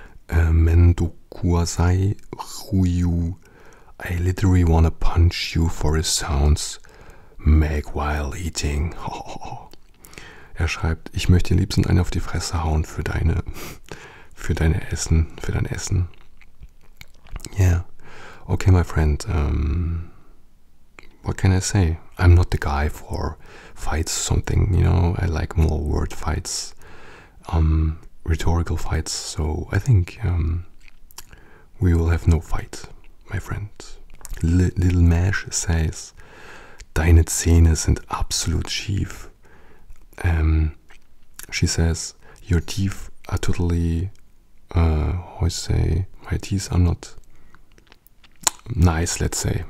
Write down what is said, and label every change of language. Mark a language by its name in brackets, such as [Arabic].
[English] Mendokuasai Ruyu, I literally wanna punch you for his sounds. Make while eating. [German] Er schreibt, ich möchte dir liebsten einen auf die Fresse hauen für dein Essen. [English] Yeah. Okay, my friend. What can I say? I'm not the guy for fights, something, you know? I like more word fights, rhetorical fights. So I think we will have no fight, my friend. [German] Little Mash says, deine Zähne sind absolut schief. [English] She says, your teeth are totally, how you say, my teeth are not nice, let's say.